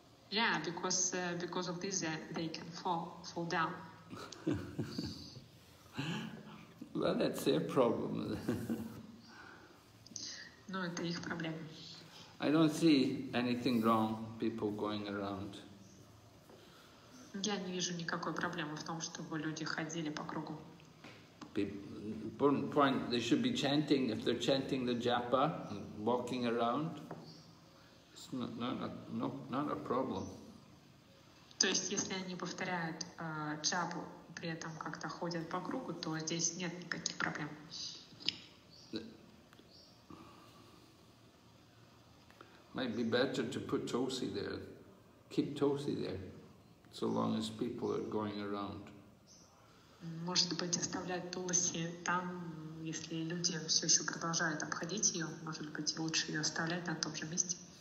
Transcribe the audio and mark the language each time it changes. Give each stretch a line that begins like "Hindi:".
English: Yeah, because of this they can fall down. Well, that's their problem.
Russian: No, это их проблема.
English: I don't see anything wrong people going around.
Russian: Я не вижу никакой проблемы в том, чтобы люди ходили по кругу.
English: Important point, they should be chanting. If they're chanting the japa, walking around, it's not a problem.
Russian: То есть, если они повторяют джапу, при этом как-то ходят по кругу, то здесь нет никаких проблем.
English: Might be better to put Tulsi there, keep Tulsi there, so long as people are going around.
Russian: Может быть, оставлять Тулси там, если люди все еще продолжают обходить ее, может быть, лучше ее оставлять на том же месте.